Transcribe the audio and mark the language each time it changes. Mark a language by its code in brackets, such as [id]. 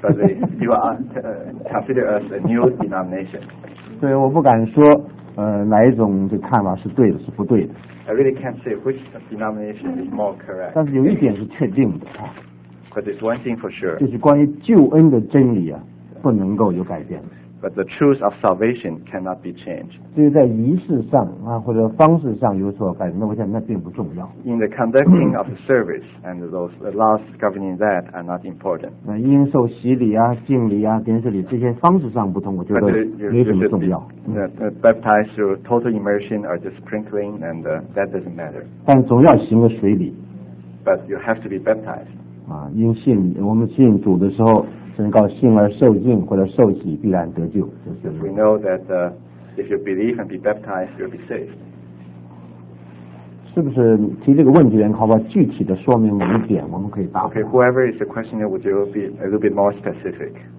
[en] But you are considered as a new denomination. [zh] 对我不敢说哪一种的看法是对的，是不对的。 [en] I really can't say which denomination is more correct. [zh] 但是有一点是确定的啊。 [en] But it's one thing for sure. [zh] 就是关于救恩的真理啊，不能够有改变。 [en] But the truth of salvation cannot be changed. [zh] 就是在仪式上啊，或者方式上有所改变，那我想那并不重要。 [en] In the conducting of the service and those laws governing that are not important. [zh] 那因受洗礼啊、敬礼啊、点水礼这些方式上不同，我觉得没什么重要。 [en] Baptized through total immersion or just sprinkling, and that doesn't matter. [zh] 但总要行个水礼。 [en] But you have to be baptized. [zh] 啊，因信我们信主的时候。宣告信而受浸或者受洗必然得救。 [en] We know that if you believe and be baptized, you'll be saved. [zh] 是不是提这个问题的人，好不好具体的说明某一点，我们可以答。 [en] Okay, whoever is the questioner, would you be a little bit more specific?